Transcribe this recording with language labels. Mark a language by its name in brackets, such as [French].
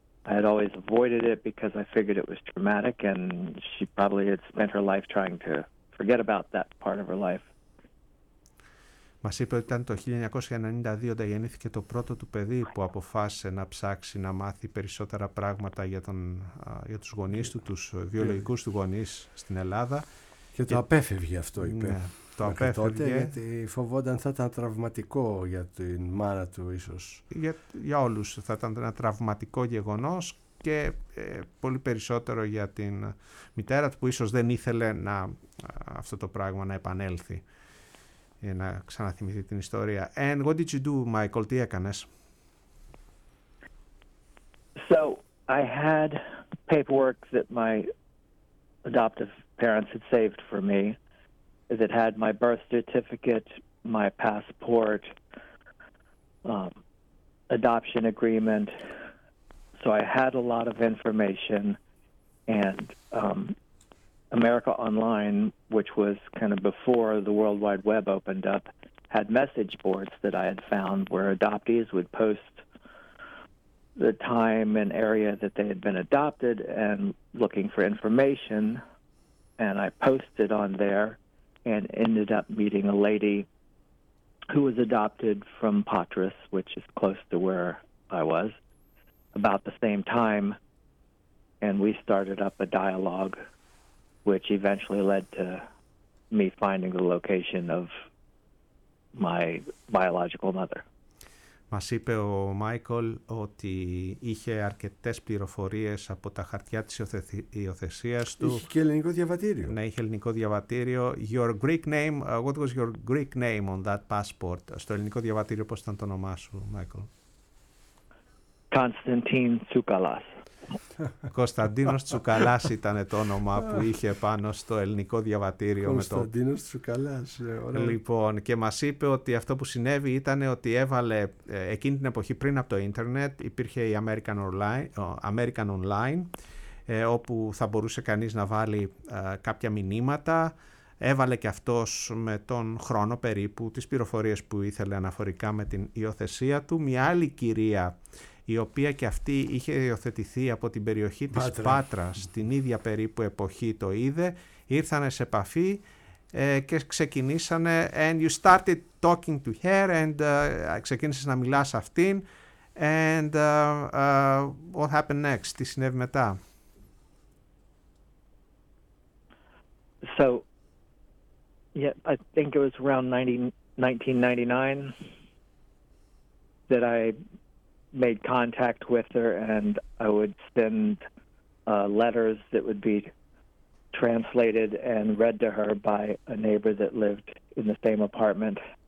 [English] I had always avoided it because I figured it was traumatic and she probably had spent her life trying to forget about that part of her life. [Greek] Μας είπε ότι ήταν το 1992 όταν γεννήθηκε το πρώτο του παιδί που αποφάσισε να ψάξει να μάθει περισσότερα πράγματα για τους γονείς του, τους βιολογικούς του γονείς στην Ελλάδα. Και το απέφευγε αυτό, είπε. Ναι, το απέφευγε. Τότε, γιατί φοβόταν θα ήταν τραυματικό για την μάνα του ίσως. Για όλους θα ήταν ένα τραυματικό γεγονός και πολύ περισσότερο για την μητέρα του που ίσως δεν ήθελε αυτό το πράγμα να επανέλθει. Για να ξαναθυμηθεί την ιστορία. [English] And what did you do, Michael? [Greek] Τι έκανες? [English] So, I had paperwork that my adoptive parents had saved for me that had my birth certificate, my passport, adoption agreement, so I had a lot of information, and America Online, which was kind of before the World Wide Web opened up, had message boards that I had found where adoptees would post the time and area that they had been adopted and looking for information, and I posted on there and ended up meeting a lady who was adopted from Patras, which is close to where I was, about the same time, and we started up a dialogue, which eventually led to me finding the location of my biological mother. [Greek] Μας είπε ο Μάικολ ότι είχε αρκετές πληροφορίες από τα χαρτιά της υιοθεσίας του. Είχε και ελληνικό διαβατήριο. Ναι, είχε ελληνικό διαβατήριο. [English] Your Greek name, what was your Greek name on that passport? [Greek] Στο ελληνικό διαβατήριο πώς ήταν το όνομά σου, Μάικολ? Κωνσταντίν Τσουκαλάς. Κωνσταντίνος Τσουκαλάς ήταν το όνομα που είχε πάνω στο ελληνικό διαβατήριο. Κωνσταντίνος Τσουκαλάς, ωραία. Λοιπόν, και μας είπε ότι αυτό που συνέβη ήταν ότι έβαλε εκείνη την εποχή πριν από το ίντερνετ, υπήρχε η American Online, American Online, όπου θα μπορούσε κανείς να βάλει κάποια μηνύματα. Έβαλε και αυτός με τον χρόνο περίπου τις πληροφορίες που ήθελε αναφορικά με την υιοθεσία του. Μια άλλη κυρία, η οποία και αυτή είχε υιοθετηθεί από την περιοχή της Πάτρας, την ίδια περίπου εποχή το είδε, ήρθανε σε επαφή και ξεκινήσανε, [English] and you started talking to her, [Greek] and ξεκίνησες να μιλάς αυτήν, [English] and what happened next, [Greek] τι συνέβη μετά. [English] So, yeah, I think it was around 1999 that I made contact with her, and I would send letters that would be translated and read to her by a neighbor that lived in the same apartment.